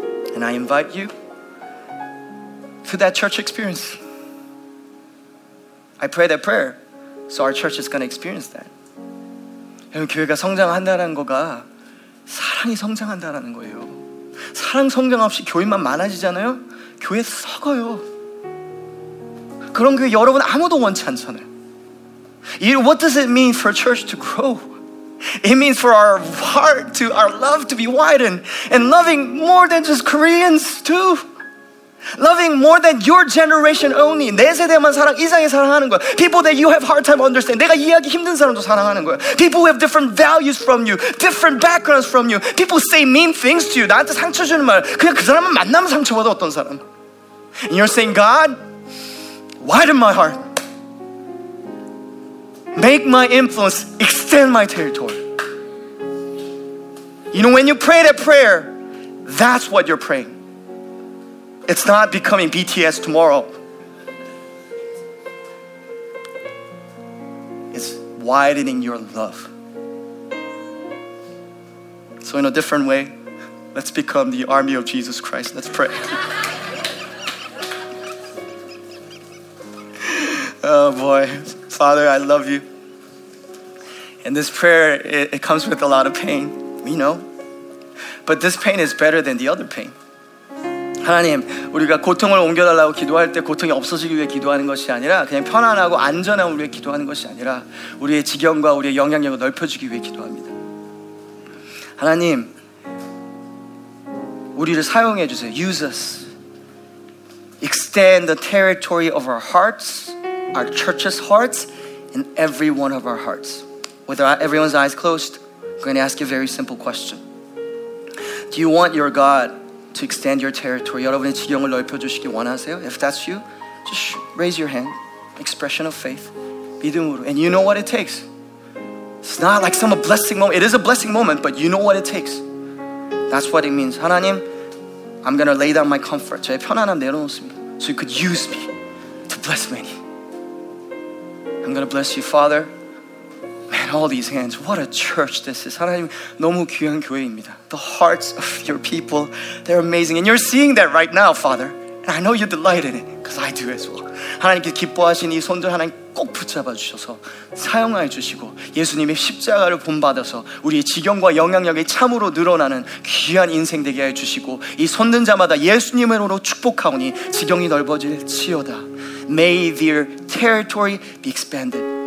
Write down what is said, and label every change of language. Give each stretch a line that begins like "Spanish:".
English: And I invite you to that church experience. I pray that prayer so our church is going to experience that.
Korean: 여러분, 교회가 성장한다는 거가 사랑이 성장한다는 거예요. 사랑 성장 없이 교인만 많아지잖아요. 교회 썩어요. 그런 게 여러분 아무도 원치 않잖아요.
English: What does it mean for church to grow? It means for our heart, to our love to be widened and loving more than just Koreans too. Loving more than your generation only.
Korean: 내 세대만 사랑, 이상의 사랑하는 거야.
English: People that you have hard time understanding.
Korean: 내가 이해하기 힘든 사람도 사랑하는 거야.
English: People who have different values from you, different backgrounds from you. People say mean things to you.
Korean: 나한테 상처 주는 말. 그냥 그 사람만 만나면 상처받아, 어떤 사람.
English: And you're saying, God, widen my heart. Make my influence extend my territory. You know, when you pray that prayer, that's what you're praying. It's not becoming BTS tomorrow. It's widening your love. So in a different way, let's become the army of Jesus Christ. Let's pray. Oh boy, Father, I love you. And this prayer, it comes with a lot of pain, we know. But this pain is better than the other pain.
Korean: 하나님, 우리가 고통을 옮겨달라고 기도할 때 고통이 없어지기 위해 기도하는 것이 아니라 그냥 편안하고 안전함을 위해 기도하는 것이 아니라 우리의 지경과 우리의 영향력을 넓혀주기 위해 기도합니다. 하나님, 우리를 사용해 주세요.
English: Use us. Extend the territory of our hearts, our church's hearts, and every one of our hearts. With everyone's eyes closed, I'm going to ask you a very simple question. Do you want your God to extend your territory?
Korean: 여러분의 지경을 넓혀주시길 원하세요?
English: If that's you, just raise your hand. Expression of faith.
Korean: 믿음으로.
English: And you know what it takes. It's not like some blessing moment. It is a blessing moment, but you know what it takes. That's what it means. 하나님, I'm going to lay down my comfort.
Korean: 저의 편안함 내려놓습니다.
English: So you could use me to bless many. I'm going to bless you, Father. Man, all these hands. What a church this is.
Korean: 하나님, 너무 귀한 교회입니다.
English: The hearts of your people, they're amazing. And you're seeing that right now, Father. And I know you're delighted in it, because I do as well.
Korean: 하나님께서 기뻐하신 이 손들 하나님 꼭 붙잡아 주셔서 사용하여 주시고 예수님의 십자가를 본받아서 우리의 지경과 영향력이 참으로 늘어나는 귀한 인생 되게 하여 주시고 이 손든 자마다 예수님으로 축복하오니 지경이 넓어질 지어다.
English: May their territory be expanded.